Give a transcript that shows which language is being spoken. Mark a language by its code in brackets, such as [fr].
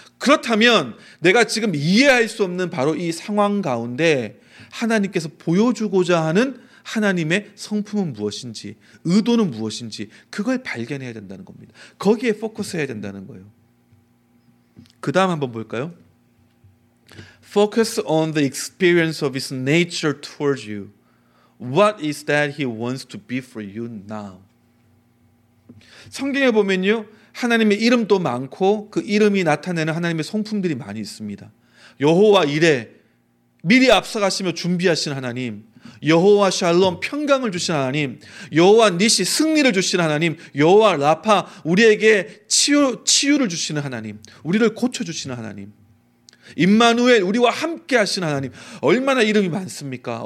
[ko] 그렇다면 내가 지금 이해할 수 없는 바로 이 상황 가운데 하나님께서 보여주고자 하는 하나님의 성품은 무엇인지 의도는 무엇인지 그걸 발견해야 된다는 겁니다. 거기에 포커스해야 된다는 거예요. 그 다음 한번 볼까요? [en] Focus on the experience of his nature towards you. What is that he wants to be for you now? [ko] 성경에 보면요 하나님의 이름도 많고 그 이름이 나타내는 하나님의 성품들이 많이 있습니다. 여호와 이레 미리 앞서가시며 준비하신 하나님, 여호와 샬롬 평강을 주신 하나님, 여호와 니시 승리를 주신 하나님, 여호와 라파 우리에게 치유를 주시는 하나님, 우리를 고쳐주시는 하나님, 임마누엘 우리와 함께 하신 하나님, 얼마나 이름이 많습니까?